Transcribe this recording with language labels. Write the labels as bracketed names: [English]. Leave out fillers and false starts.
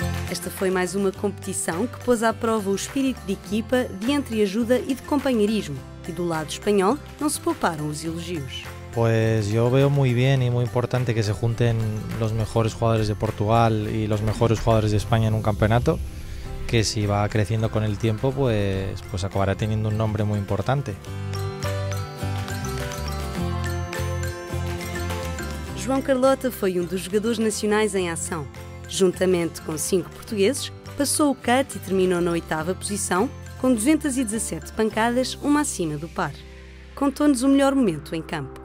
[Portuguese] Esta foi mais uma competição que pôs à prova o espírito de equipa, de entreajuda e de companheirismo. E do lado espanhol, não se pouparam os elogios. [Spanish] Pues yo veo muy bien y muy importante que se junten los mejores jugadores de Portugal y los mejores jugadores de España en un campeonato, que si va creciendo con el tiempo, pues acabará teniendo un nombre muy importante. [Portuguese] João Carlota foi um dos jogadores nacionais em ação. juntamente com 5 portugueses, passou o cut e terminou na 8ª posição, com 217 pancadas, uma acima do par. Contou-nos o melhor momento em campo.